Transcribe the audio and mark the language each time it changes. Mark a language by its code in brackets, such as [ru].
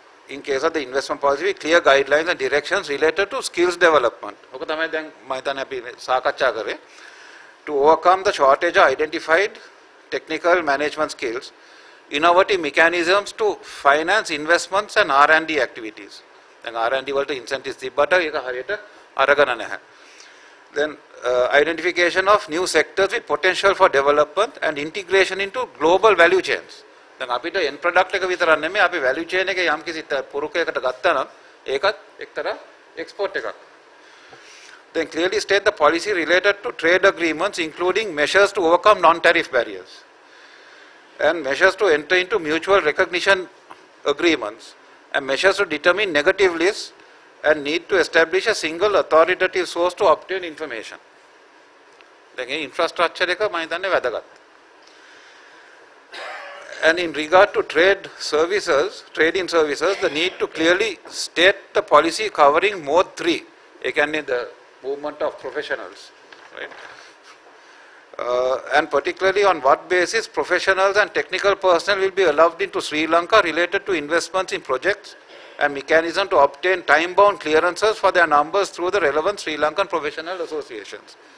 [en] In case of the investment policy, we clear guidelines and directions related to skills development. [si] Oka tamai then maithana api saakatcha kare. [en] To overcome the shortage of identified technical management skills, innovative mechanisms to finance investments and R&D activities. [si] Then R&D වලට incentives තිබ්බට ඒක හරියට අරගෙන නැහැ. [en] Then identification of new sectors with potential for development and integration into global value chains. [si] Then අපිට end product එක විතරක් නෙමෙයි, අපි value chain එක යම්කිසි පුරුකයකට ගත්තා නම් ඒකත් එක්තරා export එකක්. [en] Then clearly state the policy related to trade agreements including measures to overcome non-tariff barriers and measures to enter into mutual recognition agreements and measures to determine negative lists and need to establish a single authoritative source to obtain information. [si] Then infrastructure එක මම හිතන්නේ වැදගත්. [en] And in regard to trading services, the need to clearly state the policy covering mode 3. [si] ඒ කියන්නේ [en] the movement of professionals, right? And particularly on what basis professionals and technical personnel will be allowed into Sri Lanka related to investments in projects and mechanism to obtain time bound clearances for their numbers through the relevant Sri Lankan professional associations.